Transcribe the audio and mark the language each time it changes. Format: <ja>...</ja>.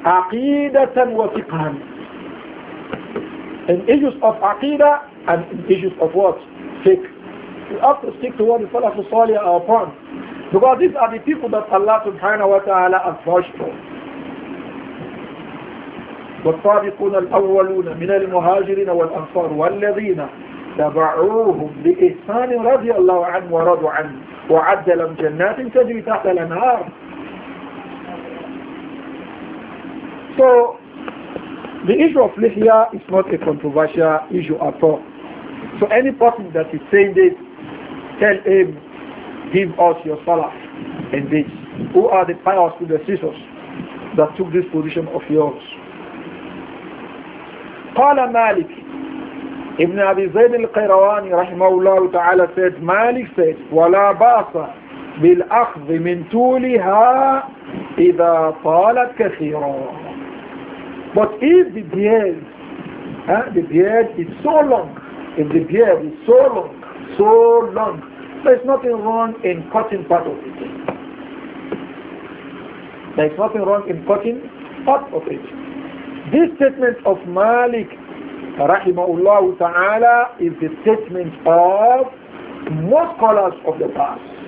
<ar>Aqidatan wa fiqhan.</ar> <en>In issues of aqidah and in issues of what? Fiqh. We have to stick to what the Salaf al-Salih are upon. Because these are the people that Allah subhanahu wa ta'ala has vouched for.</en> <ar>والسابقون الأولون من المهاجرين والأنصار والذين تبعوهم بإحسان رضي الله عنه ورضوا عنه وعد لهم جنات تجري تحت الأنهار.</ar> <en>So the issue of lihya is not a controversial issue at all. So any person that is saying this, tell him, give us your salaf in this. Who are the pious predecessors that took this position of yours?</en> <ar>قال مالك ابن أبي زيد القيرواني رحمه الله تعالى</ar> <en>said,</en> <ar>مالك said, ولا باس بالأخذ من طولها إذا طالت كثيرا.</ar> <en>But if the beard The beard is so long. If the beard is so long, so long, there's nothing wrong in cutting part of it. There's nothing wrong in cutting part of it. This statement of Malik rahimahullah ta'ala is the statement of most scholars of the past.</en>